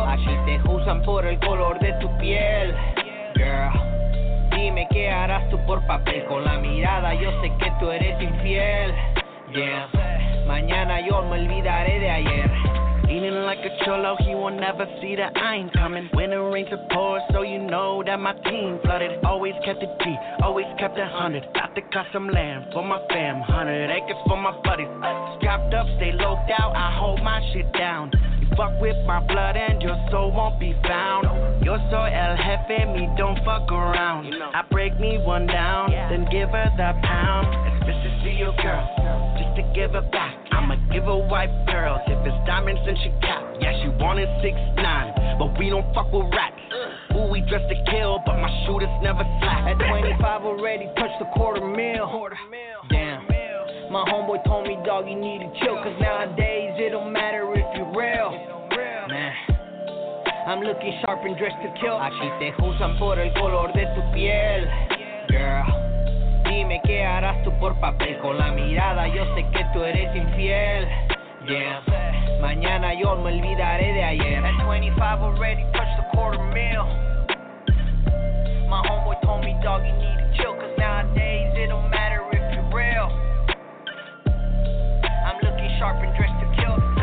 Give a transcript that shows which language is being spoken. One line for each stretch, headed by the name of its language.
Spanish: Aquí te usan por el color de tu piel. Girl, dime qué harás tú por papel. Con la mirada yo sé que tú eres infiel. Yeah, mañana yo me olvidaré de ayer.
English: Eating like a cholo, he will never see that I ain't coming. When it rains, it pours, so you know that my team flooded. Always kept it deep, always kept it 100. Got the custom land for my fam, 100 acres for my buddies. Strapped up, stay locked out, I hold my shit down. You fuck with my blood and your soul won't be found.
Spanish: Yo soy el jefe,
English: me don't fuck around. I break me one down, then give her the pound. Especially your girl, just to give her back. I'ma give her white pearls if it's diamonds and she cap. Yeah, she wanted 6'9", but we don't fuck with rats. Ooh, we dressed to kill, but my shooters never slack. At 25 already touched a quarter mil. Damn, My homeboy told me, dog, you need to chill, cause nowadays it don't matter if you're real. Nah, I'm looking sharp and dressed to kill.
Spanish: Aquí te usan por el color de tu piel. Girl, dime qué harás tú por papel. Con la mirada yo sé que tú eres infiel. Yeah, mañana yo me olvidaré de ayer.
English: At 25 already touched the quarter mil. My homeboy told me, dog, you need to chill, cause nowadays it don't matter if you're real. I'm looking sharp and dressed to kill.